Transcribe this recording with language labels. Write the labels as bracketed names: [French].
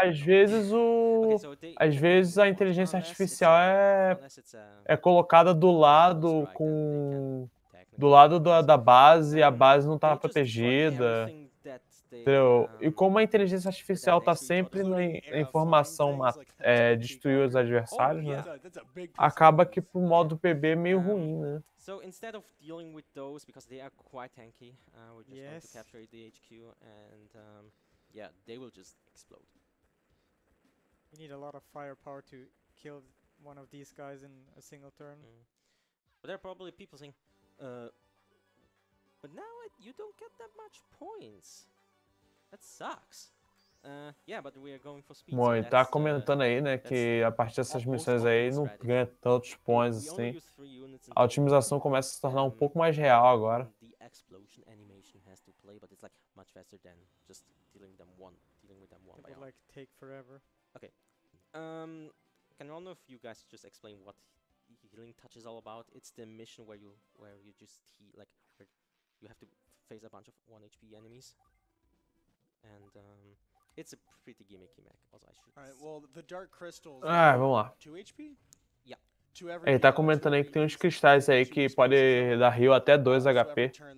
[Portuguese] Às vezes a inteligência artificial é colocada do lado da base, e a base não tá protegida. Entendeu? E como a inteligência artificial tá sempre na informação destruir os adversários, né? Acaba que pro modo PB é meio ruim, né? [English] So instead of dealing with those because they are quite tanky, we're just going to capture the HQ and they will just explode. You need a lot of firepower to kill one of these guys in a single turn. Mm. But there are probably people saying, but now you don't get that much points. That sucks. But we are going for speed. [Portuguese] Bom, ele tá comentando aí, né, que a partir dessas missões aí não ganha tantos pontos assim. A otimização começa a se tornar um pouco mais real agora. [English] The explosion animation has to play, but it's like much faster than just dealing with them one by one. It would like take forever. Okay. Can one of you guys just explain what healing touch is all about? It's the mission where you just heal, like where you have to face a bunch of 1 HP enemies. And it's a pretty gimmicky mech, also I should say. Alright, well, the Dark Crystals... [Portuguese] Ah, vamos lá. [English] 2 HP? Yeah. To every [Portuguese] ele tá comentando aí que tem uns cristais aí que podem dar heal até 2 HP.